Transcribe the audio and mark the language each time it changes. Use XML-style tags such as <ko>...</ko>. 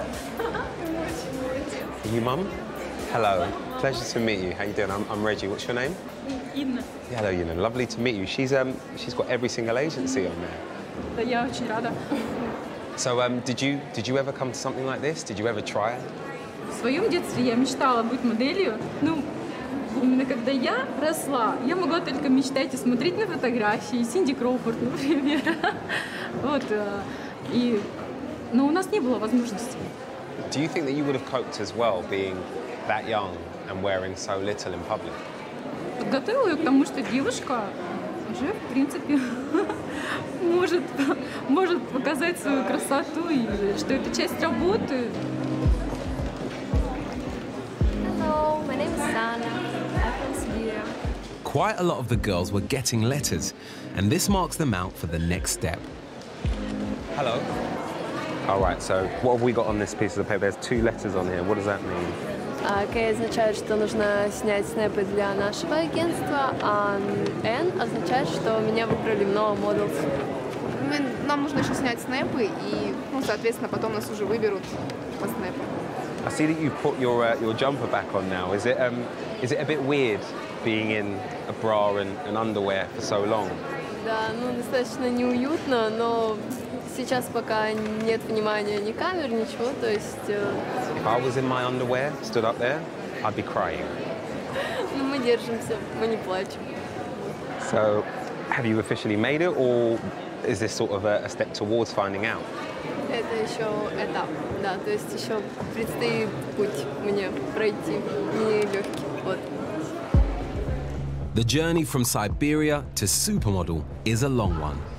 <en>Are you mum? Hello. Pleasure to meet you. How you doing? I'm Reggie. What's your name? Ina. Yeah, hello, Ina. Lovely to meet you. She's got every single agency on there.</en> <ru>Yeah, очень рада.</ru> <en>So, did you ever come to something like this? Did you ever try it?</en> <ru>В своем детстве я мечтала быть моделью. Ну, именно когда я росла, я могла только мечтать и смотреть на фотографии Синди Кроуфорд, например. Вот. И, но у нас не было возможности.</ru> <en>Do you think that you would have coped as well being that young and wearing so little in public?</en> <ru>Подготовила ее к тому, что девушка уже, в принципе, может показать свою красоту и что это часть работы.</ru> <en>Hello, my name is Sana. I'm from Siberia. Quite a lot of the girls were getting letters, and this marks them out for the next step. Hello. All right, so what have we got on this piece of paper? There's two letters on here. What does that mean?</en> <ru>Okay, означает, что нужно снять снэпы для нашего агентства, а N означает, что меня выбрали в новом модель. Нам нужно еще снять снэпы, и, ну, соответственно, потом нас уже выберут по снэпам.</ru> <en>I see that you've put your jumper back on now. Is it a bit weird being in a bra and underwear for so long?</en> <ru>Да, ну, достаточно неуютно, но... Сейчас пока нет внимания ни камер, ничего, то есть...</ru> <en>If I was in my underwear, stood up there, I'd be crying.</en> <ru>Ну, мы держимся, мы не плачем.</ru> <en>So, have you officially made it, or is this sort of a step towards finding out?</en> <ru>Это еще этап, да, то есть еще предстоит путь мне пройти, мне легкий, вот.</ru> <en>The journey from Siberia to supermodel is a long one.</en>